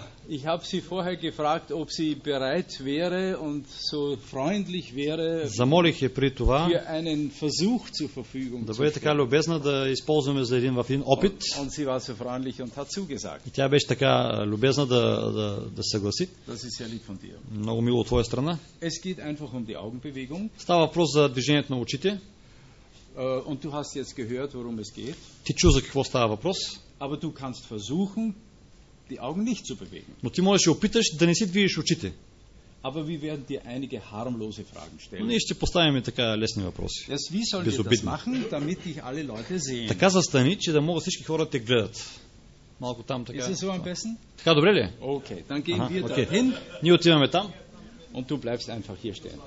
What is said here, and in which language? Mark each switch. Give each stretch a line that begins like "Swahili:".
German: Ich habe sie vorher gefragt, ob sie bereit wäre und so freundlich wäre,
Bulgarian: замолих я при това
German: für einen Versuch zur Verfügung
Bulgarian: да бъде така любезна да използваме за един в един опит.
German: Und sie war so freundlich und hat zugesagt.
Bulgarian: И тя беше така любезна да съгласи.
German: Das ist sehr lieb von dir.
Bulgarian: Много мило от твоя страна.
German: Es geht einfach um die Augenbewegung.
Bulgarian: Става въпрос за движението на очите.
German: Und du hast jetzt gehört, worum es geht.
Bulgarian: Ти чу за какво става въпрос.
German: Aber du kannst versuchen, die Augen nicht zu bewegen.
Bulgarian: Но ти можеш да опиташ да не си движиш очите.
German: Aber wir werden dir einige harmlose Fragen stellen.
Bulgarian: Ние ще поставим така лесни въпроси.
German: Yes, wie soll ich das machen, damit dich alle Leute sehen?
Bulgarian: Така застани, че да могат всички хора те гледат. малко там така.
English: Is this one person?
Bulgarian: Така добре ли?
German: Okay, dann gehen wir dahin.
Bulgarian: Ние отиваме там.
German: Und du bleibst einfach hier stehen.